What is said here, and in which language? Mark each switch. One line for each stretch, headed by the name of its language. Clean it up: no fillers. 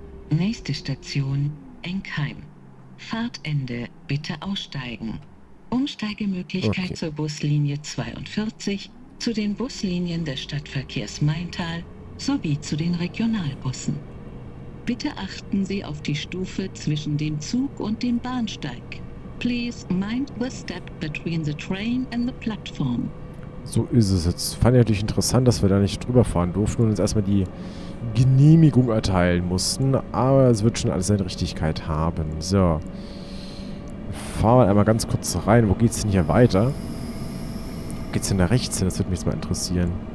German: Nächste Station, Enkheim. Fahrtende, bitte aussteigen. Umsteigemöglichkeit zur Buslinie 42, zu den Buslinien des Stadtverkehrs Maintal sowie zu den Regionalbussen. Bitte achten Sie auf die Stufe zwischen dem Zug und dem Bahnsteig.
English: Please mind the step between the train and the platform.
German: So ist es jetzt. Fand ich natürlich interessant, dass wir da nicht drüber fahren durften und uns erstmal die Genehmigung erteilen mussten, aber es wird schon alles seine Richtigkeit haben. So. Fahren wir einmal ganz kurz rein. Wo geht's denn hier weiter? Wo geht's denn da rechts hin? Das würde mich jetzt mal interessieren.